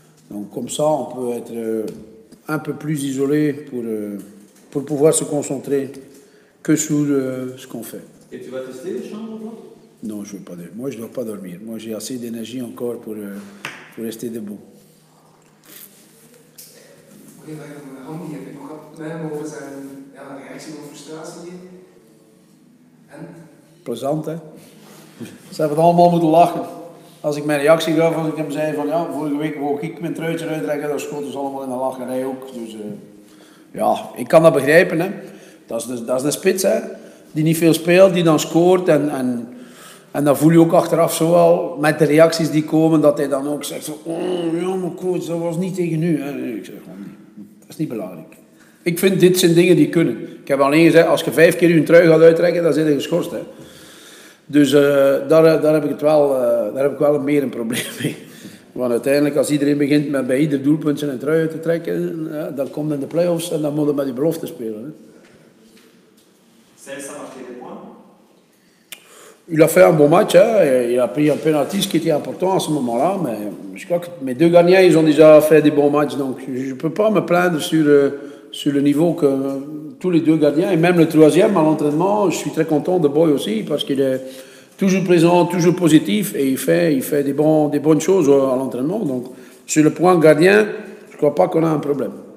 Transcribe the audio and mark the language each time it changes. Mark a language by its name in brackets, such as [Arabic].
[French] Donc comme ça, on peut être un peu plus isolé pour pouvoir se concentrer que sur ce qu'on fait. Et tu vas tester les chambres? Non, je veux pas dormir. Moi, je ne dois pas dormir. Moi, j'ai assez d'énergie encore pour rester debout. [Dutch] Oké, maar ik heb nog een probleem over zijn reactie van frustratie. En? Plezant, hè? Ze hebben het allemaal moeten lachen. Als ik mijn reactie gaf, als ik hem zei van ja, vorige week wou ik mijn truitje uittrekken, dan schoten ze allemaal in de lacherij ook. Dus ja, ik kan dat begrijpen, hè? Dat is de spits, hè? Die niet veel speelt, die dan scoort en en dan voel je ook achteraf zowel met de reacties die komen, dat hij dan ook zegt, oh, ja, mijn coach, dat was niet tegen u. Ik zeg, oh, nee. Dat is niet belangrijk. Ik vind, dit zijn dingen die kunnen. Ik heb alleen gezegd, als je 5 keer je trui gaat uittrekken, dan zit je geschorst. Hè. Dus daar heb ik wel meer een probleem mee. Want uiteindelijk, als iedereen begint met bij ieder doelpunt zijn trui uit te trekken, ja, dan komt in de play-offs en dan moet je met die belofte spelen. Zijn ze maar [French] il a fait un bon match, hein. Il a pris un penalty, ce qui était important à ce moment-là, mais je crois que mes deux gagnants, ils ont déjà fait des bons matchs, donc je ne peux pas me plaindre sur le niveau que tous les deux gagnants, et même le troisième à l'entraînement, je suis très content de Boy aussi, parce qu'il est toujours présent, toujours positif, et il fait des bonnes choses à l'entraînement, donc sur le point gardien, je ne crois pas qu'on a un problème.